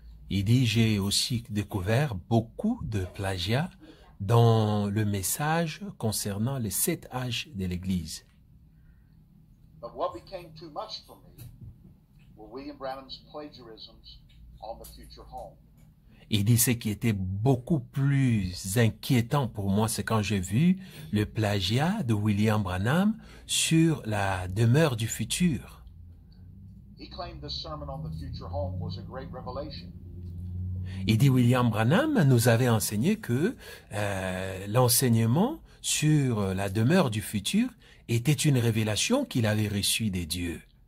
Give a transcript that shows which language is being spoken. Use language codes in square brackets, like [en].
[fr] Il dit, j'ai aussi découvert beaucoup de plagiat dans le message concernant les sept âges de l'Église. [en] But what became too much for me were William Branham's plagiarisms on the future home. [fr] Il dit ce qui était beaucoup plus inquiétant pour moi, c'est quand j'ai vu le plagiat de William Branham sur la demeure du futur. [en] He claimed the sermon on the future home was a great revelation. [fr] Il dit William Branham nous avait enseigné que l'enseignement sur la demeure du futur était une révélation qu'il avait reçue des dieux.